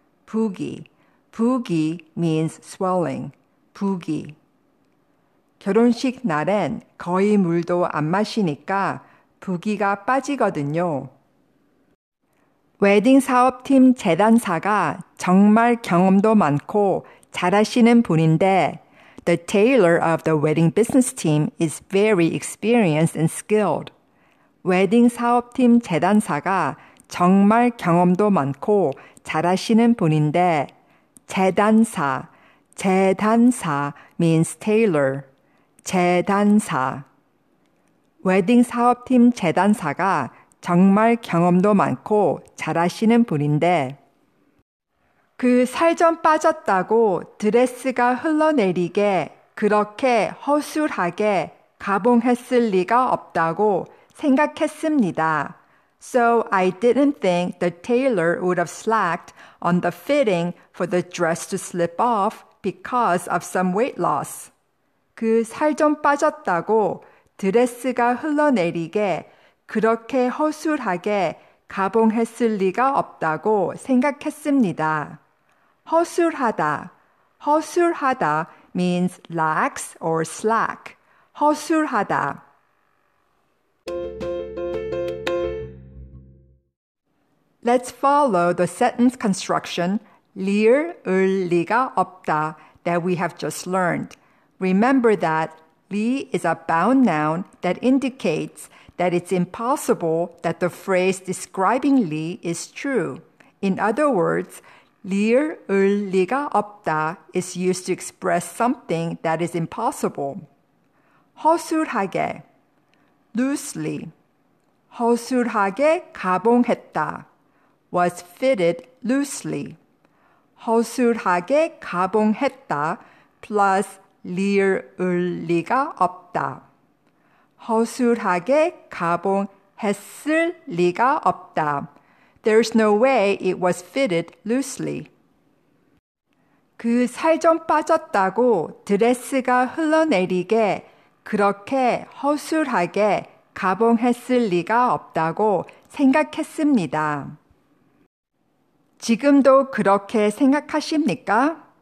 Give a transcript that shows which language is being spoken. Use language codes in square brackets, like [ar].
[ko] 부기. [en] 부기 means swelling. [ko] 부기. 결혼식 날엔 거의 물도 안 마시니까 부기가 빠지거든요. 웨딩 사업팀 재단사가 정말 경험도 많고 잘하시는 분인데, [en] The tailor of the wedding business team is very experienced and skilled. [ko] 웨딩 사업팀 재단사가 정말 경험도 많고 잘하시는 분인데, 재단사. [en] 재단사 means tailor. [ko] 재단사. 웨딩 사업팀 재단사가 정말 경험도 많고 잘하시는 분인데, 그살좀 빠졌다고 드레스가 흘러내리게 그렇게 허술하게 가봉했을 리가 없다고 생각했습니다. [en] So I didn't think the tailor would have slacked on the fitting for the dress to slip off because of some weight loss. [ko] 그살좀 빠졌다고 드레스가 흘러내리게 그렇게 허술하게 가봉했을 리가 없다고 생각했습니다. 허술하다. [en] 허술하다 means lax or slack. [ko] 허술하다. [en] Let's follow the sentence construction [ko] 리을 리가 없다 [en] that we have just learned. Remember that 리 is a bound noun that indicates that it's impossible that the phrase describing 리 is true. In other words, [ko] 리을 리가 없다 [en] is used to express something that is impossible. 허술하게, loosely. [ko] 허술하게 가봉했다. [en] Was fitted loosely. [ko] 허술하게 가봉했다 [en] plus [ko] 리을 리가 없다. 허술하게 가봉했을 리가 없다. [en] There's no way it was fitted loosely. [ko] 그살좀 빠졌다고 드레스가 흘러내리게 그렇게 허술하게 가봉했을 리가 없다고 생각했습니다. 지금도 그렇게 생각하십니까?